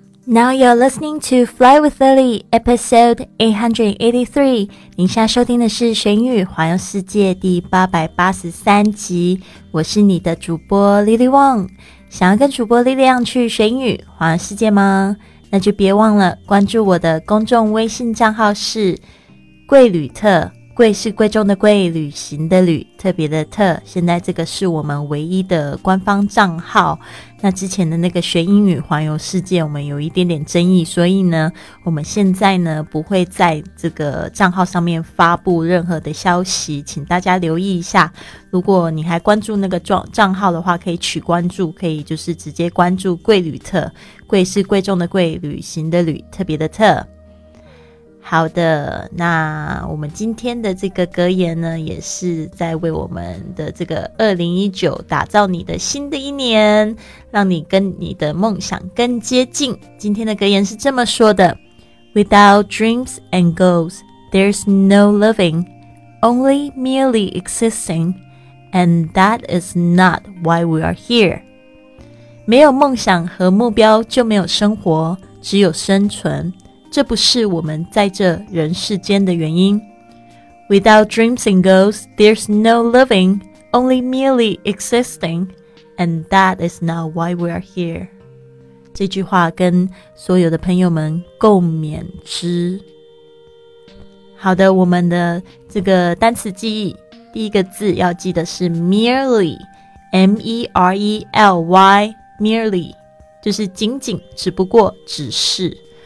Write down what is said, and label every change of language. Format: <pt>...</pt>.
<en>Now you're listening to Fly with Lily, episode 883.</en> <zh>您现在收听的是《玄语环游世界》第883集。我是你的主播 Lily Wang。想要跟主播 Lily Wang 去玄语环游世界吗？那就别忘了关注我的公众微信账号是“贵旅特”。贵是贵重的贵，旅行的旅，特别的特。现在这个是我们唯一的官方账号。那之前的那个学英语环游世界，我们有一点点争议，所以呢，我们现在呢不会在这个账号上面发布任何的消息，请大家留意一下。如果你还关注那个账号的话，可以取关注，可以就是直接关注贵旅特。贵是贵重的贵，旅行的旅，特别的特。好的，那我们今天的这个格言呢，也是在为我们的这个2019打造你的新的一年，让你跟你的梦想更接近。</zh> <en>今天的格言是这么说的 ：Without dreams and goals, there's no living, only merely existing, and that is not why we are here.</en> <zh>没有梦想和目标就没有生活，只有生存。这不是我们在这人世间的原因。</zh> <en>Without dreams and goals, there's no living, only merely existing, and that is not why we are here.</en> <zh>这句话跟所有的朋友们共勉之。好的，我们的这个单词记忆，第一个字要记得是 merely, M-E-R-E-L-Y, merely, 就是仅仅，只不过，只是。</zh>